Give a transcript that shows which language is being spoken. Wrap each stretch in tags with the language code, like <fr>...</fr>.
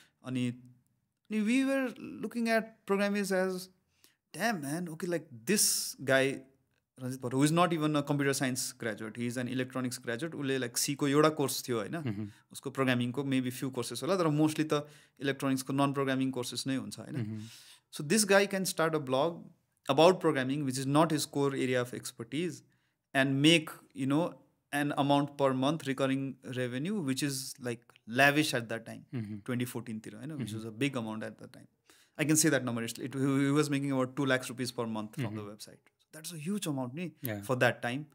<en>अनि अनि we were looking at Programiz as damn man okay like this guy Ranjit Bhattarai who is not even a computer science graduate, he is an electronics graduate.</en> <ne>उसले like सीको एउटा course थियो होइन, उसको प्रोग्रामिङको</ne> <en>maybe few courses</en> <ne>होला तर मोस्टली त इलेक्ट्रोनिक्सको नन प्रोग्रामिङ कोर्सेस नै हुन्छ होइन.</ne> <en>So this guy can start a blog about programming which is not his core area of expertise and make you know an amount per month recurring revenue which is like lavish at that time 2014 होइन, which is a big amount at that time. I can say that number is it he was making about 2 lakh rupees per month from the website. That's a huge amount नि for that time.</en>